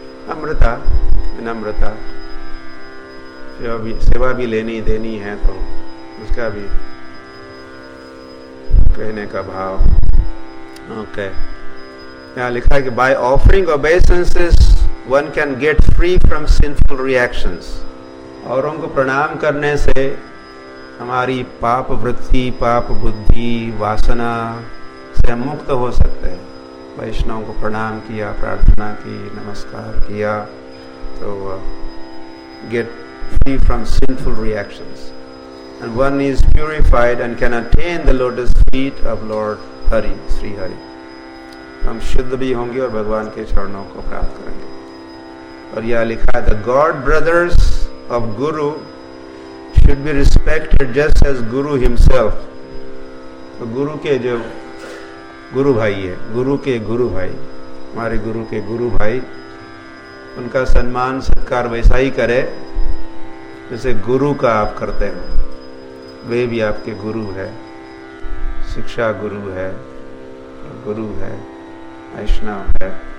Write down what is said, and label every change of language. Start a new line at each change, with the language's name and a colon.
Hindi: अमृता विनम्रता, सेवा भी लेनी देनी है तो उसका भी कहने का भाव। ओके, यहाँ लिखा है कि
English: By offering obeisances one can get free from sinful reactions.
Hindi: औरों को प्रणाम करने से हमारी पाप वृत्ति, पाप बुद्धि, वासना से मुक्त हो सकते हैं. वैष्णव को प्रणाम किया, प्रार्थना की, नमस्कार किया, तो
English: get free from sinful reactions. And one is purified and can attain the lotus feet of Lord Hari, Sri Hari.
Hindi: हम शुद्ध भी होंगे और भगवान के चरणों को प्राप्त करेंगे. और यह लिखा है,
English: the God brothers of Guru should be respected just as Guru himself.
Hindi: तो गुरु के जो गुरु भाई है, गुरु के गुरु भाई, हमारे गुरु के गुरु भाई, उनका सम्मान सत्कार वैसा ही करे जैसे गुरु का आप करते हो. वे भी आपके गुरु है, शिक्षा गुरु है, गुरु है, वैष्णव है.